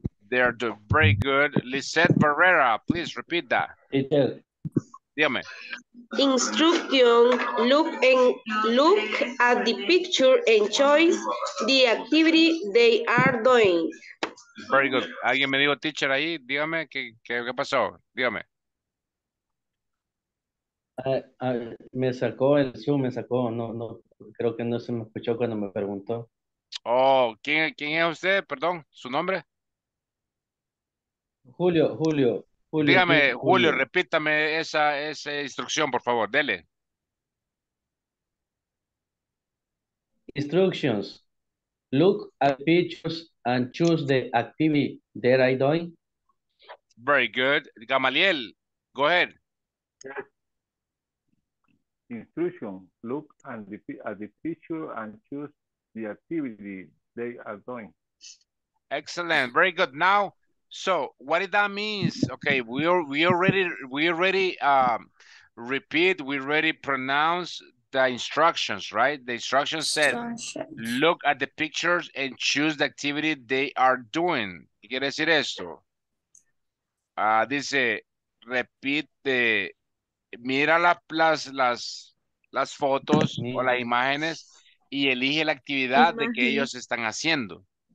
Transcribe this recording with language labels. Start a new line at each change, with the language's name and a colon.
English: They are doing very good. Lisette Barrera, please repeat that.
Spanish: Dígame.
English: Instruction, look at the picture and choice the activity they are doing. Very good.
Spanish: Alguien me dijo teacher ahí, dígame, ¿qué pasó? Dígame. Me sacó el Zoom, me sacó. No, creo que no se me escuchó cuando me preguntó. Oh, ¿quién es usted? Perdón, ¿su nombre? Julio. Dígame, Julio, repítame esa instrucción, por favor, dele.
English: Instructions. Look at pictures and choose the activity that I do. Very good. Gamaliel, go ahead. Instruction. Look at the picture and choose the activity they are doing. Excellent. Very good. Now, so what did that means? Okay, we already pronounce the instructions, right? The instructions said, look at the pictures and choose the activity they are doing.
Spanish: ¿Qué quiere decir esto? Dice, repite, mira las fotos o las imágenes y elige la actividad de que ellos están haciendo.